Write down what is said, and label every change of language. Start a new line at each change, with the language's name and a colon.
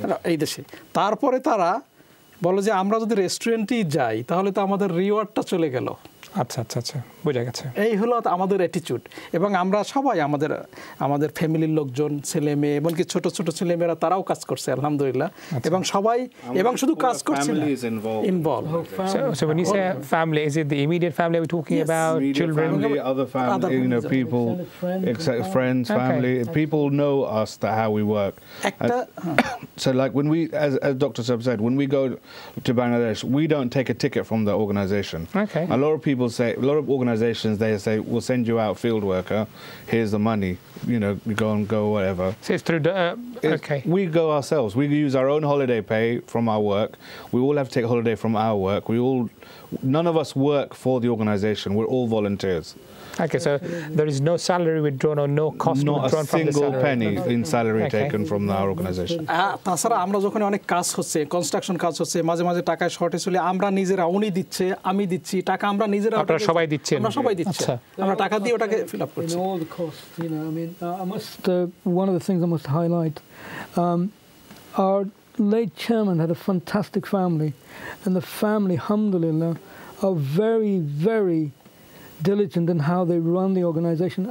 Bangla: এই দেশে তারপরে তারা বলো যে আমরা যদি রেস্টুরেন্টেই যাই তাহলে তো আমাদের রিওয়ার্ডটা চলে গেল। আচ্ছা আচ্ছা আচ্ছা, বোঝা গেছে। এই হলো আমাদের অ্যাটিচিউড, এবং আমরা সবাই আমাদের ফ্যামিলির লোকজন, ছেলে মেয়ে, এমনকি ছোট ছোট ছেলে মেয়েরা তারাও কাজ করছে আলহামদুলিল্লাহ, এবং সবাই এবং শুধু কাজ করছে involve.
English: So when you say family, is it the immediate family we're talking about, children, family, other family, you know, people, exactly, friends, family, people know us, that how we work. So like when we, as Dr. Sub said, when we go to Bangladesh, we don't take a ticket from the organization. Okay. A lot of organizations, they say, we'll send you out, field worker, here's the money, you know, go and go, whatever. So it's through the, okay. We go ourselves. We use our own holiday pay from our work. We all have to take holiday from our work. None of us work for the organization. We're all volunteers. Okay, so there is no salary withdrawn or no cost withdrawn from the salary? Not a single penny in salary taken from our organization.
Bangla: তাছাড়া আমরা যখন অনেক কাজ হচ্ছে, construction কাজ হচ্ছে, মাঝে মাঝে টাকায় শর্টেজ হলে আমরা নিজেরা, উনি দিচ্ছে, আমি দিচ্ছি টাকা, আমরা নিজেরা, আপনারা সবাই দিচ্ছেন? আমরা সবাই দিচ্ছি, আমরা টাকা দিয়ে ওটাকে ফিল আপ করছি।
English: All the costs, you know, I mean, I must, one of the things I must highlight, our late chairman had a fantastic family, and the family, alhamdulillah, are very, very diligent in how they run the organization.